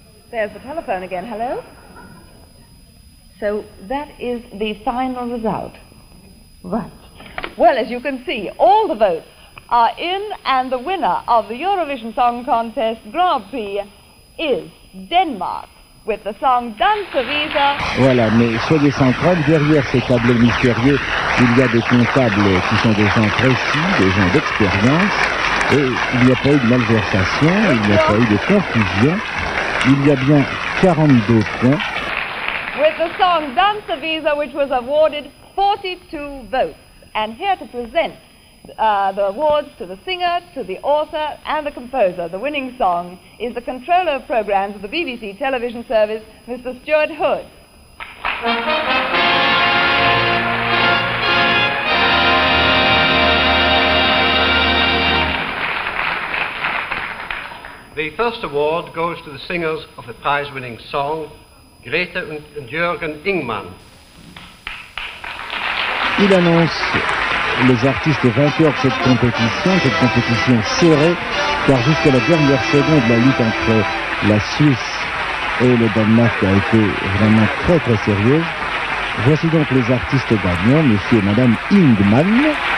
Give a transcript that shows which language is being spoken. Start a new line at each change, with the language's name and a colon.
English: There's the telephone again. Hello? So that is the final result. Right. Well, as you can see, all the votes are in, and the winner of the Eurovision Song Contest Grand Prix is Denmark with the song Dansevise.
French: Voilà, mais soyez sans crainte, derrière ces tableaux mystérieux, il y a des comptables qui sont des gens précis, des gens d'expérience, et il n'y a pas eu de malversation, il n'y a pas eu de confusion. Il y a bien 42 points.
English: With the song Dansevise, which was awarded 42 votes. And here to present the awards to the singer, to the author, and the composer, the winning song, is the controller of programs of the BBC television service, Mr. Stuart Hood. The first award goes to the singers of the prize-winning song, Grethe and Jørgen Ingmann.
French: Il annonce les artistes vainqueurs de cette compétition serrée, car jusqu'à la dernière seconde, la lutte entre la Suisse et le Danemark a été vraiment très très sérieuse. Voici donc les artistes gagnants, monsieur et madame Ingmann.